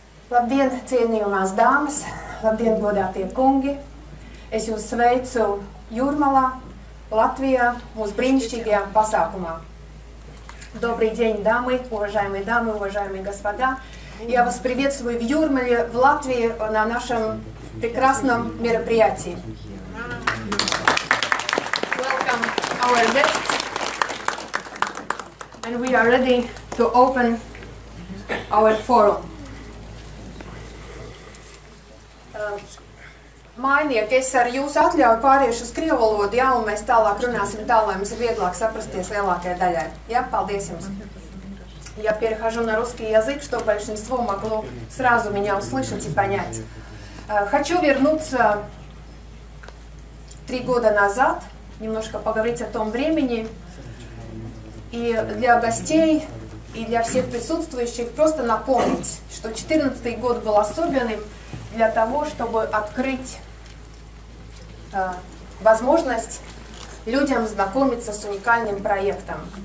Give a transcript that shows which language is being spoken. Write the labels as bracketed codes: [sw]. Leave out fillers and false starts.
[lv] Labdien, cienījumās dāmas, labdien, godātie kungi. Es jūs sveicu Jūrmalā, Latvijā, mūsu brīnišķīgajā pasākumā. [ru] Добрый день, дамы, уважаемые господа. Я вас приветствую в Юрмале, в Латвии, на нашем прекрасном мероприятии. [en] Welcome our guests. And we are ready to open our forum. [lv] Mainiek, es ar jūsu atļauju pāriešu uz krievu valodu, jā, un mēs tālāk runāsim tā, lai mums ir vieglāk saprasties lielākajai daļai. Jā, paldies jums. [ru] Я перехожу на русский язык, чтобы большинство могло сразу меня услышать и понять. Хочу вернуться 3 года назад, немножко поговорить о том времени, и для гостей, и для всех присутствующих просто напомнить, что 14-й год был особенным для того, чтобы открыть возможность людям знакомиться с уникальным проектом.